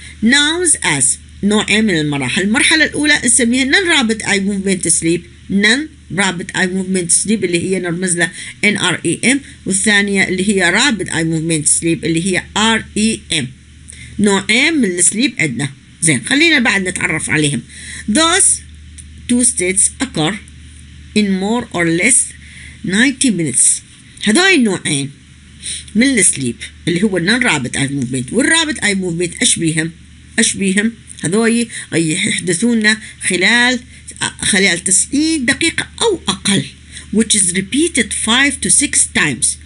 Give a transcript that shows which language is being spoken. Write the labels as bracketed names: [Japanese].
[English] nouns as [Arabic] نوعين من المراحل. المرحلة الأولى نسميها [English] non rapid eye movement sleep. non rapid eye movement sleep [Arabic] اللي هي نرمز لها [English] NREM [Arabic] والثانية اللي هي [English] rapid eye movement sleep اللي هي REM. [Arabic] نوعين من السليب عندنا. زين خلينا بعد نتعرف عليهم. [English] those two states occur in more or less 90 minutes. [Arabic] هذول النوعين من السليب اللي هو [English] non rapid eye movement [Arabic] وال [English] rapid eye movement [Arabic] أشبيهم هذول يحدثونا خلال 90 دقيقة أو أقل [English] which is repeated 5-6 times.